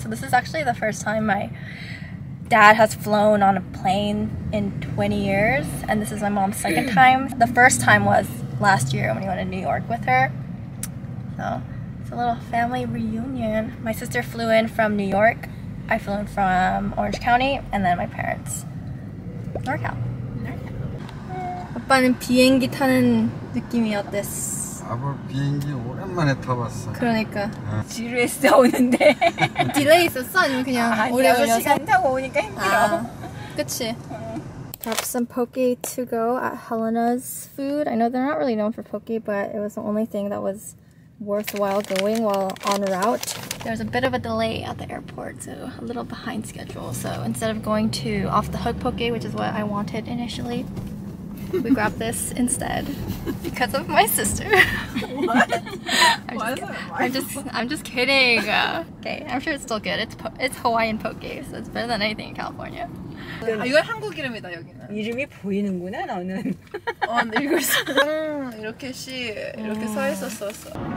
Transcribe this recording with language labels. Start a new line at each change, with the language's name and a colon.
English: So this is actually the first time my dad has flown on a plane in 20 years, and this is my mom's second time. The first time was last year when we went to New York with her. So it's a little family reunion. My sister flew in from New York, I flew in from Orange County, and then my parents, NorCal.
Korean: 아빠는 비행기 타는 느낌이 어땠어? 아빠 비행기 오랜만에 타봤어. 그러니까 지루했어 오는데. 딜레이 있었어? 아니면 그냥 아, 오래 걸려서? 6시간 타고 오니까 힘들어. 아, 그치?
English: Grab some poke to go at Helena's food. I know they're not really known for poke, but it was the only thing that was worthwhile going while on route. There was a bit of a delay at the airport, so a little behind schedule. So instead of going to off the hook poke, which is what I wanted initially, we grab this instead because of my sister. I'm just kidding. Okay, I'm sure it's still good. It's Hawaiian poke, so it's better than anything in California.
Korean: 이건 한국 이름이다 여기는. 이름이 보이는구나 나는. 어, 이거 이렇게 시 이렇게 써 있었었어.